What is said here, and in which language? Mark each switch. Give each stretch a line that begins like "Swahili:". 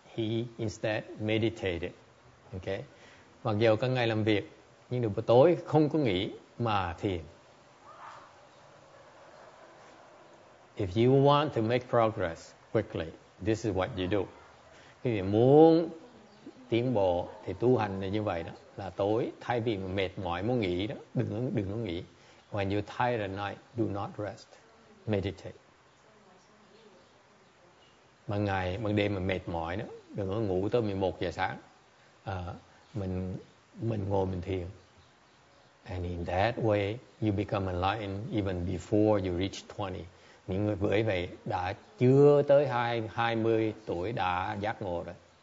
English: He instead meditated. Okay.
Vietnamese: Mặc dù cả ngày làm việc, nhưng được buổi tối không có nghỉ mà thiền.
English: If you want to make progress quickly, this is what you do.
Vietnamese: Khi mình muốn tiến bộ thì tu hành là như vậy đó. Là tối, thay vì mệt mỏi muốn nghỉ đó, đừng có nghỉ.
English: When you're tired at night, do not rest. Meditate.
Vietnamese: Bằng ngày, bằng đêm mà mệt mỏi đó, đừng có ngủ tới 11 giờ sáng. Mình ngồi mình thiền.
English: And in that way, you become enlightened even before you reach 20.
Vietnamese: Những người bởi vậy đã chưa tới 20 tuổi đã giác ngộ rồi.